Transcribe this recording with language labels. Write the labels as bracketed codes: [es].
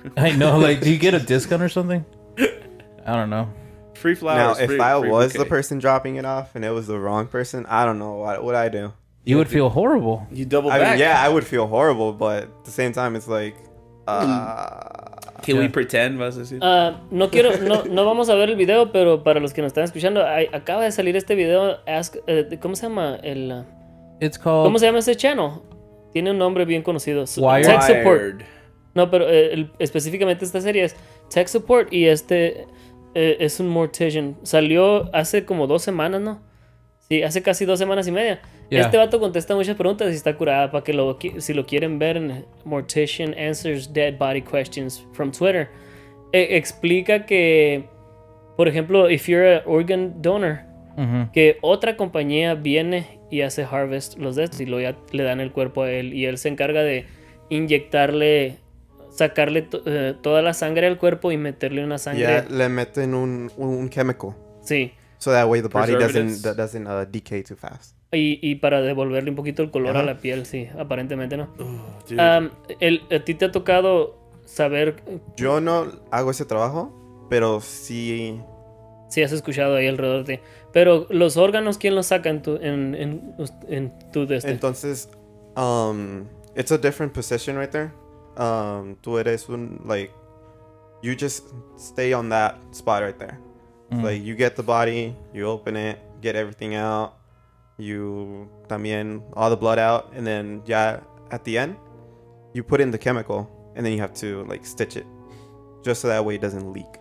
[en] I know. Like, do you get a discount or something? I don't know. Free flowers. Now, free, if I was bouquet. The person dropping it off and it was the wrong person, I don't know. What would I do? You would feel horrible. You double back. I mean, yeah, I would feel horrible, but at the same time, it's like, Can we pretend, [es] vas a decir? No quiero, no vamos a ver el video, pero para los que nos están escuchando, acaba de salir este video. Ask, ¿cómo se llama el? [en] It's called. [es] ¿Cómo se llama ese channel? Tiene un nombre bien conocido. [en] Wired. Tech Support. [es] No, pero específicamente esta serie es Tech Support y este es un mortician. Salió hace como 2 semanas, ¿no? Sí, hace casi 2 semanas y media. Yeah. Este vato contesta muchas preguntas y está curada para que lo, si lo quieren ver en Mortician Answers Dead Body Questions from Twitter. Explica que, por ejemplo, [en] if you're an organ donor, [es] mm-hmm, que otra compañía viene y hace harvest los de estos y luego ya le dan el cuerpo a él y él se encarga de inyectarle, sacarle toda la sangre al cuerpo y meterle una sangre. Yeah, le meten un chemical. Sí. [en] So that way the body doesn't decay too fast. [es] Y para devolverle un poquito el color, uh-huh, a la piel, sí, aparentemente no. Oh, ¿a ti te ha tocado saber? Yo no hago ese trabajo, pero sí. Sí, has escuchado ahí alrededor de ti. Pero los órganos, ¿quién los saca en tu de este? [en] Entonces, it's a different position right there. [es] Tú eres un, [en] like, you just stay on that spot right there. Mm. Like, you get the body, you open it, get everything out. You también all the blood out, and then yeah, at the end you put in the chemical and then you have to like stitch it just so that way it doesn't leak.